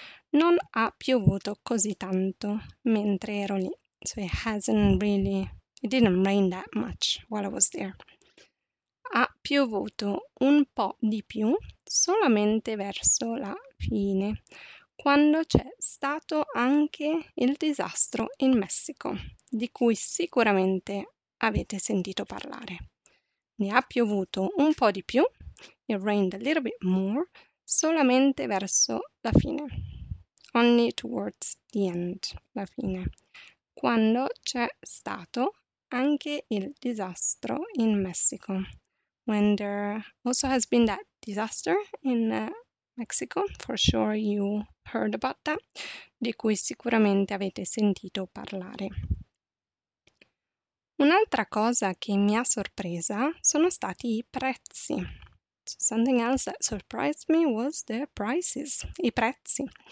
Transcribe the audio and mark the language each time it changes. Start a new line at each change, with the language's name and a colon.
Italian: Non ha piovuto così tanto mentre ero lì.
English: So it hasn't really, it didn't rain that much while I was there.
Italian: Ha piovuto un po' di più solamente verso la fine, quando c'è stato anche il disastro in Messico, di cui sicuramente avete sentito parlare. Ne ha piovuto un po' di più,
English: it rained a little bit more,
Italian: solamente verso la fine.
English: Only towards the end,
Italian: la fine. Quando c'è stato anche il disastro in Messico.
English: When there also has been that disaster in Mexico, for sure you heard about that,
Italian: di cui sicuramente avete sentito parlare. Un'altra cosa che mi ha sorpresa sono stati i prezzi.
English: So something else that surprised me was the prices, i prezzi.